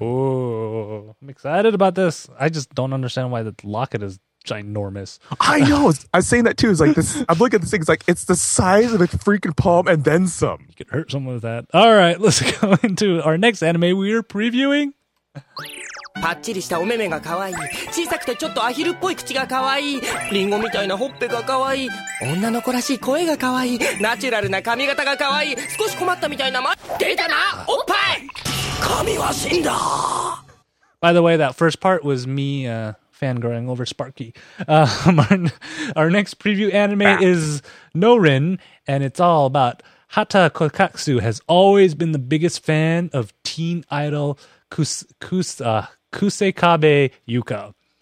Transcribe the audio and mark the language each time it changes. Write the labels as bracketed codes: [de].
[en] Oh, I'm excited about this. I just don't understand why the locket is ginormous. I know. I was saying that too. It's like this. I'm looking at this thing. It's like it's the size of a freaking palm and then some. You can hurt someone with that. All right, let's go into our next anime we are previewing. [ja] パッチリしたお目目が可愛い。小さくてちょっとアヒルっぽい口が可愛い。リンゴみたいなほっぺが可愛い。女の子らしい声が可愛い。ナチュラルな髪型が可愛い。少し困ったみたいな出たなおっぱい神は死んだ。 [en] By the way, that first part was me fangirling over Sparky. Our next preview anime is Norin, and it's all about Hata Kokatsu has always been the biggest fan of teen idol Kusekabe Yuka.